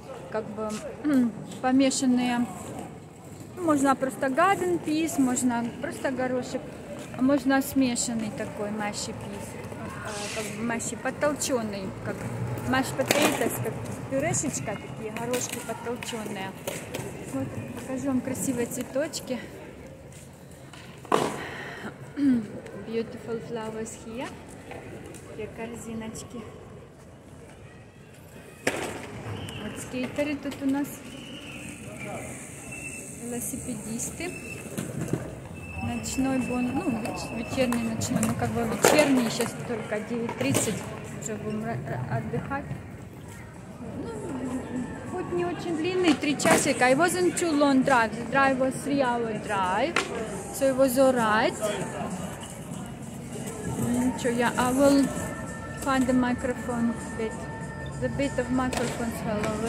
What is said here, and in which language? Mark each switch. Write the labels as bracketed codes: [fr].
[ru] Как бы помешанные, можно просто [en] garden peas, [ru] можно просто горошек, а можно смешанный такой [en] mashy peas, [ru] как бы mashy, подтолченный, как [en] mashed potatoes, [ru] как пюрешечка, такие горошки подтолченные. Вот, покажу вам красивые цветочки. [en] Beautiful flowers here. [ru] Две корзиночки. Вот скейтеры тут у нас. Велосипедисты. Ночной бон. Ну, вечерний ночной. Ну, как бы вечерний. Сейчас только 9.30. Уже будем отдыхать. Ну, путь не очень длинный. 3 часика. [en] It wasn't too long drive. The drive was 3-hour drive. So it was alright. Yeah, I will find the microphone bit. The bit of microphone fell over.